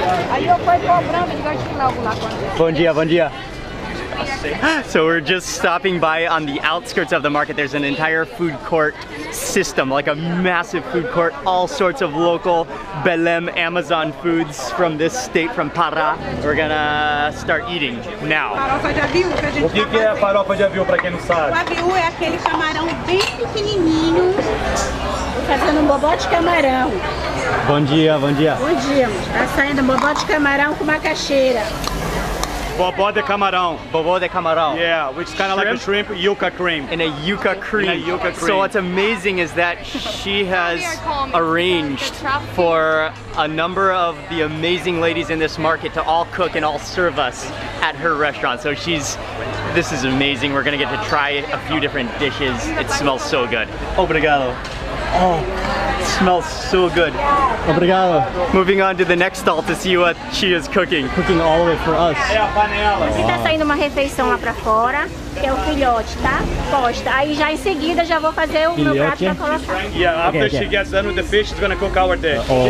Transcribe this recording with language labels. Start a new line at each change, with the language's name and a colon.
Portuguese: Aí eu fui cobrando, ele vai te logo lá quando. Bom dia.
English: So we're just stopping by on the outskirts of the market. There's an entire food court system, like a massive food court, all sorts of local BELÈM Amazon foods from this state, from Pará. We're gonna start eating now.
Portuguese: Farofa de aviú que a gente tá. O que é farofa de aviú para quem não sabe? O aviú é aquele camarão bem pequenininho, fazendo um bobó de camarão. Bom dia. Tá saindo um bobó de camarão com macaxeira. Bobó de camarão.
English: Yeah, which is kind of like a shrimp yuca cream. In a yuca cream. So what's amazing is that she has arranged for a number of the amazing ladies in this market to all cook and all serve us at her restaurant. So this is amazing. We're gonna get to try a few different dishes. It smells so good.
Portuguese: Obrigado.
English: Oh, it smells so good.
Portuguese: Obrigado.
English: Moving on to the next stall to see what she is cooking. Cooking all of it for us.
Portuguese: É a panela. Aqui tá saindo uma refeição lá pra fora, que é o filhote, tá? Posta. Aí já em seguida já vou fazer o meu prato pra colocar.
English: Yeah, after she gets done with the fish, she's gonna cook our dish.